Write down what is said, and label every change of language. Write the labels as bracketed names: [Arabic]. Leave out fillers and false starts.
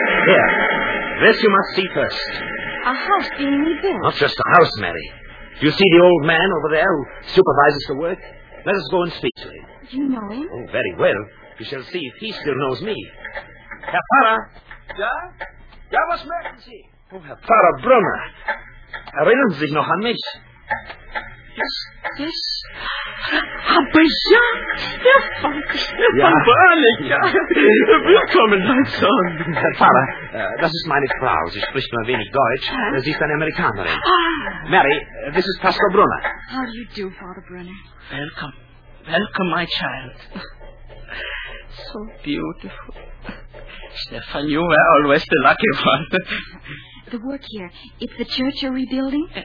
[English] Here. This you must see first. A house being rebuilt. Not just a house, Mary. Do you see the old man over there who supervises the work? Let us go and speak to him. Do you know him? Oh, very well. We shall see if he still knows me. [German] Herr Pfarrer. Ja? Ja, was möchten Sie? Oh, Herr Pfarrer Brunner. Erinnern Sie sich noch an mich? [English] Yes. Yes. [German] Aber ja, Stefan Brannig. Ja. Willkommen, mein Sohn. Herr Pfarrer, das ist meine Frau. Sie spricht nur ein wenig Deutsch. Huh? Sie ist eine Amerikanerin. Ah. [English] Mary, this is Pastor Brunner. How do you do, Father Brunner? Welcome. Welcome, my child. So beautiful. Stefan, you were always the lucky one. The work here, it's the church you're rebuilding?